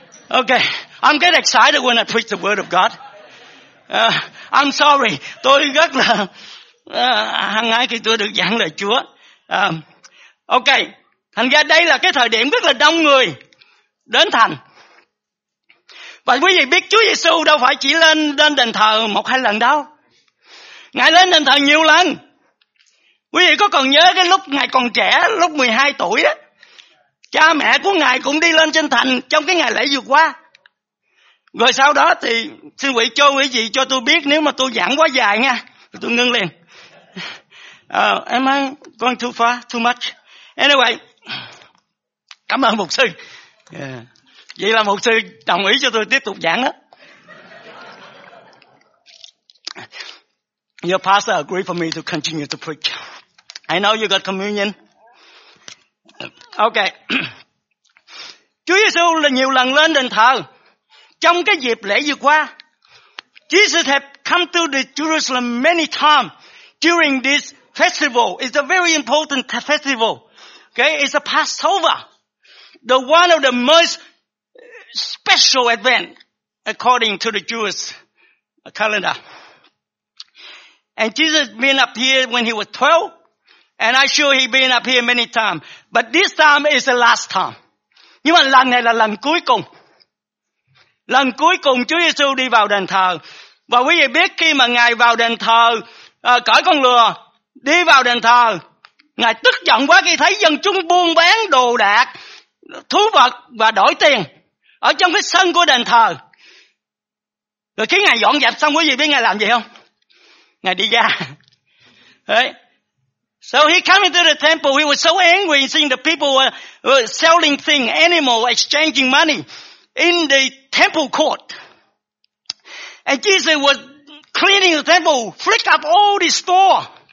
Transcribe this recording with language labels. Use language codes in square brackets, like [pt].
[en] Okay, I'm getting excited when I preach the word of God. I'm sorry, [vi] tôi rất là hăng hái khi tôi được giảng lời Chúa. Okay, thành ra đây là cái thời điểm rất là đông người đến thành. Và quý vị biết Chúa Giêsu đâu phải chỉ lên đền thờ một hai lần đâu. Ngài lên đền thờ nhiều lần. Quý vị có còn nhớ cái lúc ngài còn trẻ, lúc 12 tuổi á, cha mẹ của ngài cũng đi lên trên thành trong cái ngày lễ vượt qua. Rồi sau đó thì xin quý vị cho quý vị cho tôi biết nếu mà tôi giảng quá dài nha, tôi ngưng liền. [en] Am I going too far, too much? Anyway, [vi] cảm ơn mục sư. [en] Yeah. [vi] Vậy là mục sư đồng ý cho tôi tiếp tục giảng đó. [en] Your pastor agreed for me to continue to preach. I know you got communion. Okay. [vi] Chúa Giêsu là nhiều lần lên đền thờ. Trong cái dịp lễ vừa qua, [en] Jesus have come to the Jerusalem many times during this festival. It's a very important festival. Okay, it's a Passover. The one of the most special event according to the Jewish calendar. And Jesus been up here when he was 12, and I'm sure he been up here many times. But this time is the last time. [vi] Nhưng mà lần này là lần cuối cùng. Lần cuối cùng Chúa Giêsu đi vào đền thờ. Và quý vị biết khi mà ngài vào đền thờ, cởi con lừa, đi vào đền thờ, ngài tức giận quá khi thấy dân chúng buôn bán đồ đạc, thú vật và đổi tiền ở trong cái sân của đền thờ. Rồi khi ngài dọn dẹp xong, quý vị biết ngài làm gì không? Ngài đi ra. Đấy. [en] So he came into the temple, he was so angry seeing the people were selling things, animals, exchanging money in the temple court. And Jesus was cleaning the temple, flicked up all the store.